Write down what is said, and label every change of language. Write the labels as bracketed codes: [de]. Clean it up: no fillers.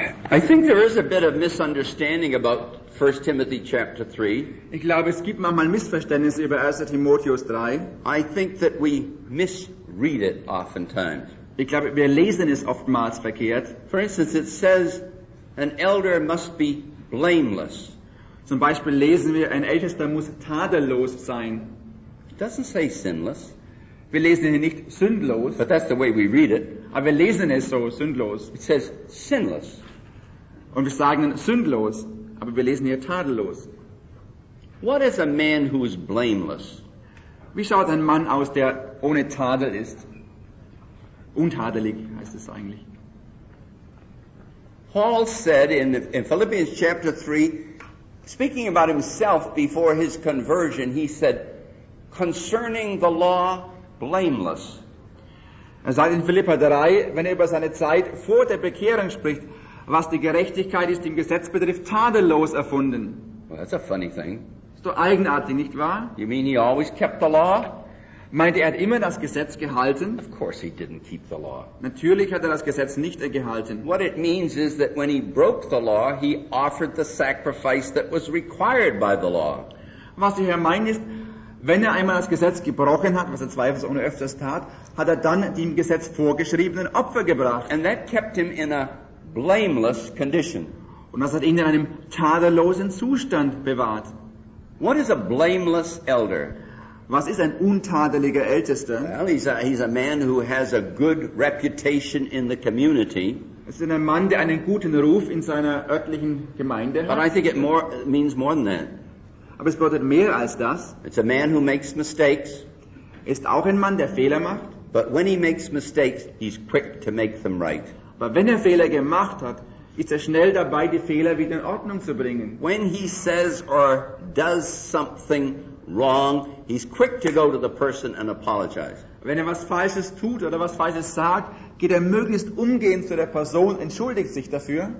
[en] I think there is a bit of misunderstanding about 1 Timothy chapter 3. [de] Ich glaube, es gibt manchmal Missverständnisse über 1. Timotheus 3. [en] I think that we misread it oftentimes. [de] Ich glaube, wir lesen es oftmals verkehrt. [en] For instance, it says an elder must be blameless. [de] Zum Beispiel lesen wir, ein Ältester muss tadellos sein. [en] It doesn't say sinless. [de] Wir lesen hier nicht sündlos. [en] But that's the way we read it. [de] Aber wir lesen es so, sündlos. [en] It says sinless. [de] Und wir sagen sündlos, aber wir lesen hier tadellos. [en] What is a man who is blameless? [de] Wie schaut ein Mann aus, der ohne Tadel ist? Untadelig heißt es eigentlich. [en] Paul said in Philippians chapter 3, speaking about himself before his conversion, he said, concerning the law, blameless. [de] Er sagt in Philipper 3, wenn er über seine Zeit vor der Bekehrung spricht, was die Gerechtigkeit ist, im Gesetz betrifft, tadellos erfunden. [en] Well, that's a funny thing. [de] Ist doch eigenartig, nicht wahr? [en] You mean he always kept the law? [de] Meint er, hat immer das Gesetz gehalten? [en] Of course he didn't keep the law. [de] Natürlich hat er das Gesetz nicht gehalten. [en] What it means is that when he broke the law, he offered the sacrifice that was required by the law. [de] Was ich hier meine ist, wenn er einmal das Gesetz gebrochen hat, was er zweifelsohne öfters tat, hat er dann die im Gesetz vorgeschriebenen Opfer gebracht. [en] And that kept him in a blameless condition. [de] Und das hat ihn in einem tadellosen Zustand bewahrt. [en] What is a blameless elder? [de] Was ist ein untadeliger Ältester? [en] Well, he's a man who has a good reputation in the community. [de] Es ist ein Mann, der einen guten Ruf in seiner örtlichen Gemeinde hat. [en] But I think it means more than that. [de] Aber es bedeutet mehr als das. [en] It's a man who makes mistakes. [de] Ist auch ein Mann, der Fehler macht. [en] But when he makes mistakes, he's quick to make them right. [de] Aber wenn er Fehler gemacht hat, ist er schnell dabei, die Fehler wieder in Ordnung zu bringen. [en] When he says or does something wrong, he's quick to go to the person and apologize. [de] Wenn er was Falsches tut oder was Falsches sagt, geht er möglichst umgehend zu der Person, entschuldigt sich dafür.